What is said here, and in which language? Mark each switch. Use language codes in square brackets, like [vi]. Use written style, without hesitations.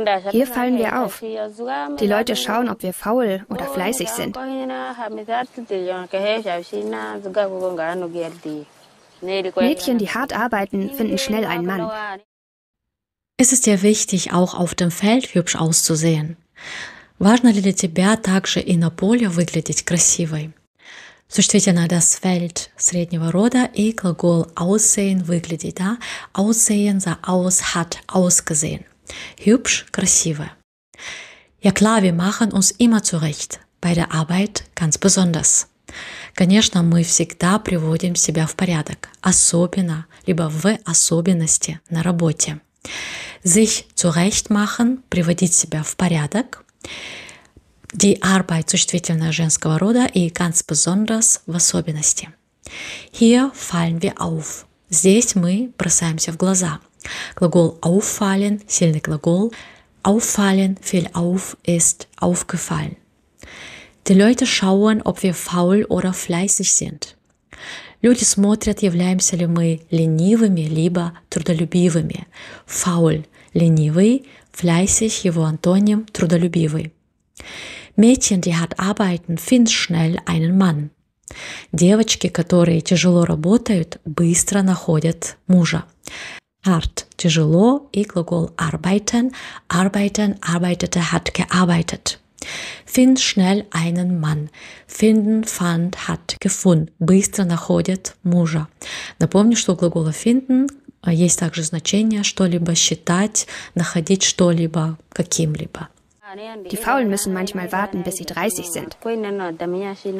[de] Hier fallen wir auf. Die Leute schauen, ob wir faul oder fleißig sind. Mädchen, die hart arbeiten, finden schnell einen Mann. Es ist dir wichtig, auch auf dem Feld hübsch auszusehen. [ru] Важно ли для тебя также и на поле выглядеть красивой? Существительное das Feld среднего рода и глагол aussehen выглядеть, да? [de] Aussehen за aus hat ausgesehen. Hübsch, красиво. Ja klar, wir machen uns immer zurecht. Bei der Arbeit ganz besonders. [ru] Конечно, мы всегда приводим себя в порядок. Особенно, либо в особенности на работе. [de] Sich zurecht machen, [ru] приводить себя в порядок. Die Arbeit, существительное женского рода, и [de] ganz besonders, [ru] в особенности. [de] Hier fallen wir auf. [ru] Здесь мы бросаемся в глаза. Глагол auffallen, сильный глагол. [de] Auffallen, fiel auf, ist aufgefallen. Die Leute schauen, ob wir faul oder fleißig sind. [ru] Люди смотрят, являемся ли мы ленивыми, либо трудолюбивыми. Faul, ленивый. Fleißig, его антоним, трудолюбивый. [de] Mädchen, die hart arbeiten, finden schnell einen Mann. [ru] Девочки, которые тяжело работают, быстро находят мужа. [de] Hart, тяжело, и глагол arbeiten, arbeiten, arbeitete, hat gearbeitet. Finden schnell einen Mann. Finden, fand, hat, gefunden. [ru] Быстро находят мужа. Напомню, что у глагола finden есть также значение что-либо считать, находить что-либо каким-либо. [de] Die Faulen müssen manchmal warten, bis sie 30 sind.